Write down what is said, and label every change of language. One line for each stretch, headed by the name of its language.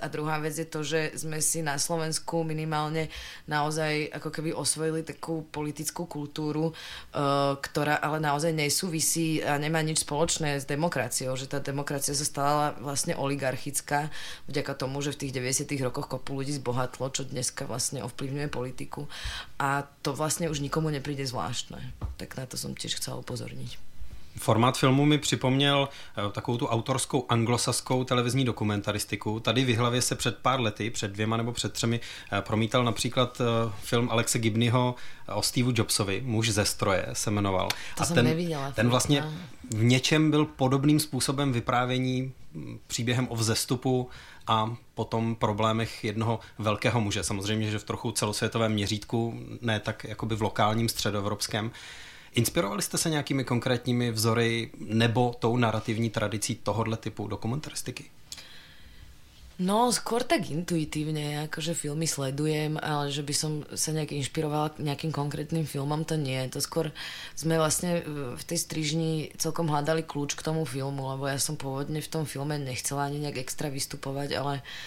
Slovak: A druhá vec je to, že sme si na Slovensku minimálne naozaj ako keby osvojili takú politickú kultúru, ktorá ale naozaj nesúvisí a nemá nič spoločné s demokraciou. Že tá demokracia sa stala vlastne oligarchická vďaka tomu, že v tých 90. rokoch kopu ľudí zbohatlo, čo dneska vlastne ovplyvňuje politiku. A to vlastne už nikomu nepríde zvláštne. Tak na to som tiež chcela upozorniť.
Czech: Formát filmu mi připomněl takovou tu autorskou anglosaskou televizní dokumentaristiku. Tady v Jihlavě se před pár lety, před dvěma nebo před třemi, promítal například film Alexe Gibneyho o Steve Jobsovi, Muž ze stroje se jmenoval. To a jsem ten, neviděla. Ten vlastně v něčem byl podobným způsobem vyprávění příběhem o vzestupu a potom problémech jednoho velkého muže. Samozřejmě, že v trochu celosvětovém měřítku, ne tak jakoby v lokálním středoevropském. Inspirovali jste se nějakými konkrétními vzory nebo tou narrativní tradicí tohohle typu dokumentaristiky?
Slovak: No, skôr tak intuitívne, akože filmy sledujem, ale že by som sa nejak inšpirovala nejakým konkrétnym filmom, to nie. To skôr sme vlastne v tej strižni celkom hľadali kľúč k tomu filmu, lebo ja som pôvodne v tom filme nechcela ani nejak extra vystupovať, ale